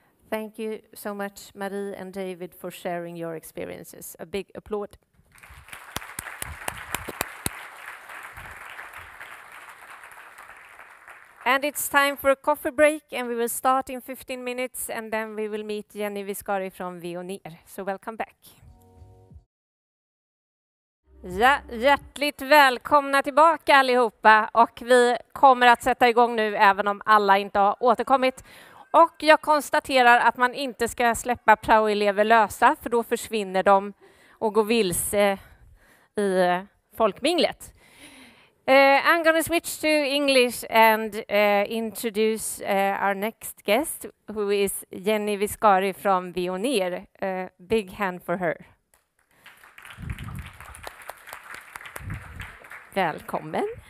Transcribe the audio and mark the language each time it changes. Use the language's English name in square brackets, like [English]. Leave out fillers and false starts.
[English] Thank you so much, Marie and David, for sharing your experiences. A big applaud. And it's time for a coffee break, and we will start in 15 minutes, and then we will meet Jenny Viscari from Vionir. So welcome back. [Swedish] Ja, hjärtligt välkomna tillbaka allihopa, och vi kommer att sätta igång nu även om alla inte har återkommit. Och jag konstaterar att man inte ska släppa prao-elever lösa, för då försvinner de och går vilse i folkminglet. [English] I'm going to switch to English and introduce our next guest, who is Jenny Viscari from Vionir. Big hand for her. [Swedish] Välkommen.